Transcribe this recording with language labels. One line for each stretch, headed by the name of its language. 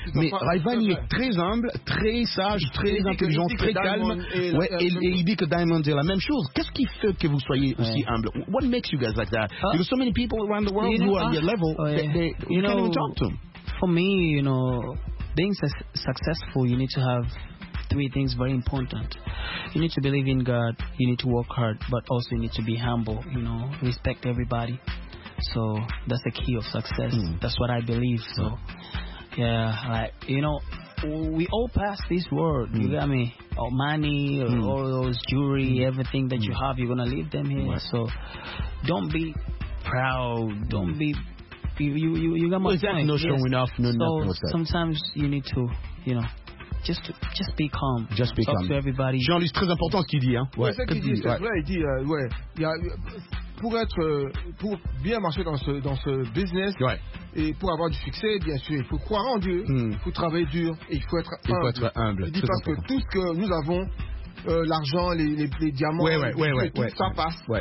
French: Mais Raivani est très humble, très sage, très intelligent, très calme. Ouais, et il dit que Diamond est la même chose. Qu'est-ce qui fait que vous soyez aussi humble?
English: What makes you guys like that? Because so many people around the world who are at your level, you can't even talk to them. For me, you know, being successful, you need to have three things very important. You need to believe in God, you need to work hard, but also you need to be humble, you know, respect everybody. So that's the key of success. That's what I believe. So yeah, like, you know, we all pass this world, you got me, our money, all those jewelry, everything that you have, you're gonna leave them here. So don't be proud, don't be You got my point. No showing enough. No, so nothing with that. Sometimes you need to, you know, just be calm. Just be talk calm. Talk to everybody.
French: Jean-Luc, c'est très important ce qu'il dit, hein. Ouais, c'est ce qu'il dit. C'est vrai, il dit, ouais. Il y a, pour bien marcher dans ce business, et pour avoir du succès, bien sûr, il faut croire en Dieu, il faut travailler dur et il faut être humble. Il faut être humble. Il dit parce que tout ce que nous avons, l'argent, les diamants, tout ça passe.